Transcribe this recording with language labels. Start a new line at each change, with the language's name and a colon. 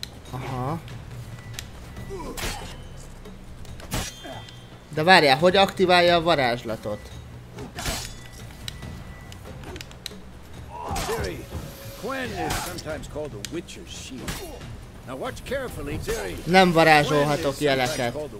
Hungarian: Aha. De várjál, hogy aktiválja a varázslatot?
English: sometimes called a witcher's shield. Now watch carefully, Jerry.
Hungarian: Nem varázsolhatok jeleket.